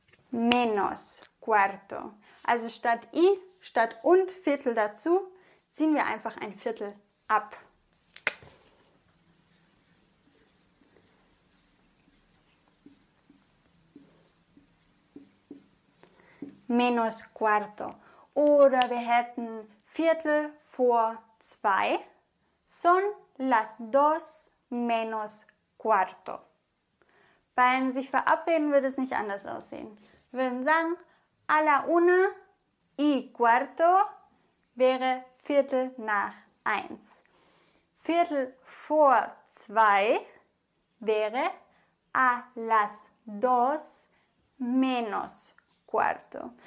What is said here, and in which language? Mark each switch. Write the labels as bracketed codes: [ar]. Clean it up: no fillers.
[es] Menos cuarto. [de] Also statt i, statt und Viertel dazu, ziehen wir einfach ein Viertel ab. [es] Menos cuarto. [de] Oder wir hätten Viertel vor zwei. [es] Son las dos menos cuarto. [de] Beim sich verabreden würde es nicht anders aussehen. Wir würden sagen, [es] a la una y cuarto [de] wäre Viertel nach eins. Viertel vor zwei wäre [es] a las dos menos cuarto.